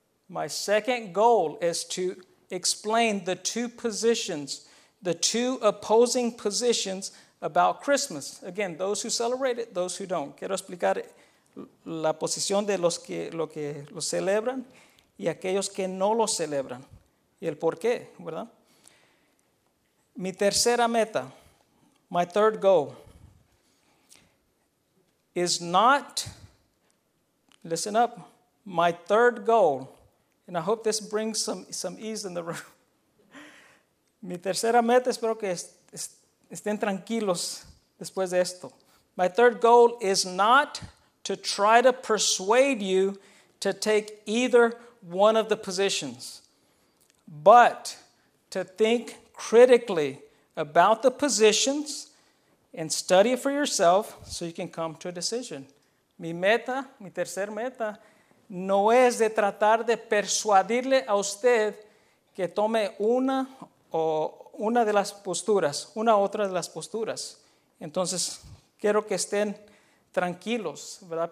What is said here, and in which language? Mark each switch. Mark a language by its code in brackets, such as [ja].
[en] My second goal is to explain the two positions, the two opposing positions about Christmas. Again, those who celebrate it, those who don't. [es] Quiero explicar la posición de los que lo celebran y aquellos que no lo celebran. Y el por qué, ¿verdad? Mi tercera meta, [en] my third goal, is not, listen up, my third goal, and I hope this brings some ease in the room. [es] Mi tercera meta, espero que estén tranquilos después de esto. [en] My third goal is not to try to persuade you to take either one of the positions, but to think critically about the positions and study it for yourself so you can come to a decision. [es] Mi tercera meta, no es de tratar de persuadirle a usted que tome una o una de las posturas, una u otra de las posturas. Entonces, quiero que estén tranquilos, ¿verdad?